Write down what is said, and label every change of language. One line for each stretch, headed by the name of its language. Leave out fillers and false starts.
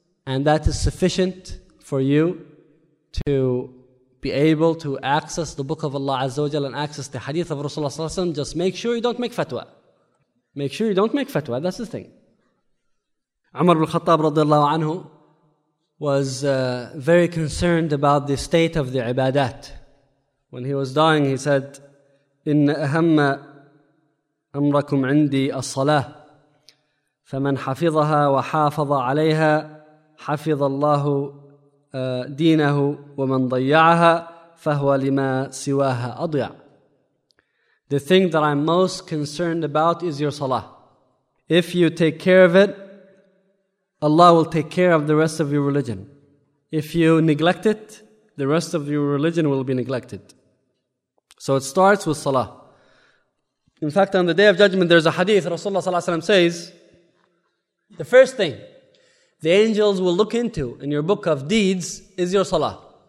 English: And that is sufficient for you to be able to access the book of Allah Azza wa Jalla and access the hadith of Rasulullah Sallallahu Alaihi Wasallam. Just make sure you don't make fatwa. Make sure you don't make fatwa. That's the thing. Umar ibn al-Khattab radiallahu anhu was very concerned about the state of the ibadat.
Arabic: When he was dying, he said, إِنَّ أَهَمَّ أَمْرَكُمْ عِنْدِي الصَّلَاةِ فَمَنْ حَفِظَهَا وَحَافَظَ عَلَيْهَا حَفِظَ اللَّهُ دِينَهُ وَمَنْ ضَيَّعَهَا فَهُوَ لِمَا سِوَاهَا أَضْيَعَ.
English: The thing that I'm most concerned about is your salah. If you take care of it, Allah will take care of the rest of your religion. If you neglect it, the rest of your religion will be neglected. So it starts with salah. In fact, on the Day of Judgment, there's a hadith, Rasulullah Sallallahu Alaihi Wasallam says, the first thing the angels will look into in your book of deeds is your salah.